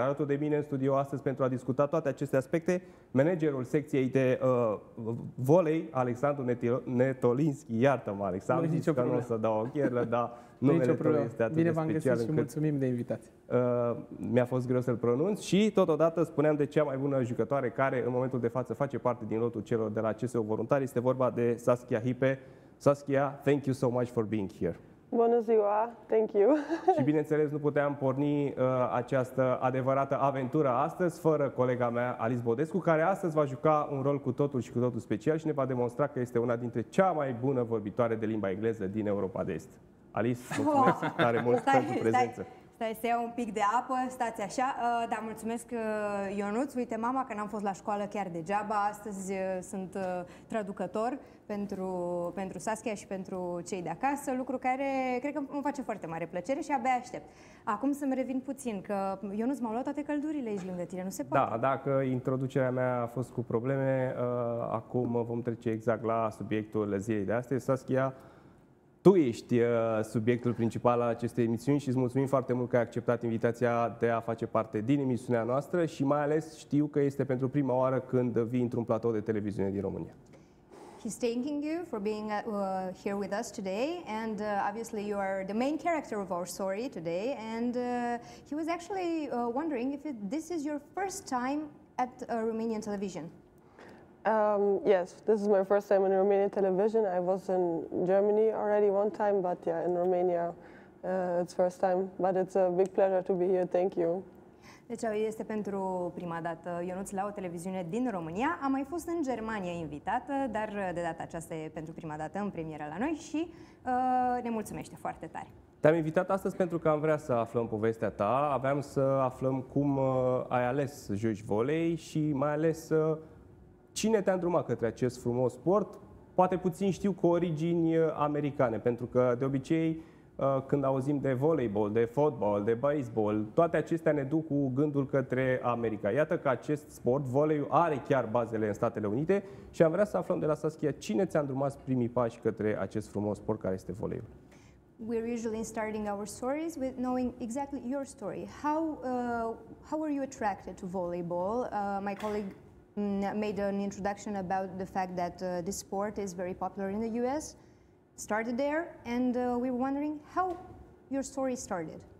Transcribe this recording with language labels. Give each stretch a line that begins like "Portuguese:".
Romanian: Alături de mine în studio astăzi pentru a discuta toate aceste aspecte, managerul secției de volei, Alexandru Netolinski. Iartă-mă, Alexandru, zici că nu o să dau ochierlă, dar numele tău este atât bine de special. Bine v-am găsit și mulțumim de invitație. Mi-a fost greu să-l pronunț și totodată spuneam de cea mai bună jucătoare care în momentul de față face parte din lotul celor de la CSU Voluntari. Este vorba de Saskia Hipe.
English: Saskia, thank you so much for being here.
Romanian: Bună ziua,
English: thank you!
Romanian: Și bineînțeles, nu puteam porni această adevărată aventură astăzi fără colega mea, Alice Bodescu, care astăzi va juca un rol cu totul și cu totul special și ne va demonstra că este una dintre cea mai bună vorbitoare de limba engleză din Europa de Est. Alice, mulțumesc tare mult pentru prezență! Să iau un pic de apă, stați așa, dar mulțumesc, Ionuț. Uite, mama, că n-am fost la școală chiar degeaba, astăzi sunt traducător pentru Saskia și pentru cei de acasă, lucru care cred că îmi face foarte mare plăcere și abia aștept. Acum să-mi revin puțin, că Ionuț, m-au luat toate căldurile aici lângă tine, nu se poate. Da, dacă introducerea mea a fost cu probleme, acum vom trece exact la subiectul zilei de astăzi. Saskia, tu ești subiectul principal al acestei emisiuni și îți mulțumim foarte mult că ai acceptat invitația de a face parte din emisiunea noastră și mai ales știu că este pentru prima oară când vii într-un platou de televiziune din România.
English: He's thanking you for being here with us today, and obviously you are the main character of our story today, and he was actually wondering if this is your first time at a Romanian television. Yes, this is my first time in Romanian television. I was in Germany already one time, but yeah, in Romania, it's first time. But it's a big pleasure to be here. Thank you.
Romanian: Deci este pentru prima dată Ionuț la o televiziune din România. Am mai fost în Germania invitată, dar de data aceasta e pentru prima dată în premieră la noi și ne mulțumește foarte tare. Te-am invitat astăzi pentru că am vrea să aflăm povestea ta. Aveam să aflăm cum ai ales să joci volei și mai ales să... Cine te-a îndrumat către acest frumos sport? Poate puțin știu cu origini americane, pentru că de obicei când auzim de volleyball, de fotbal, de baseball, toate acestea ne duc cu gândul către America. Iată că acest sport, voleiul, are chiar bazele în Statele Unite și am vrea să aflăm de la Saskia cine ți-a îndrumat primii pași către acest frumos sport care este voleiul.
English: We're usually starting our stories with knowing exactly your story. How were you attracted to volleyball? My colleague made an introduction about the fact that this sport is very popular in the U.S. started there, and we were wondering how your story started.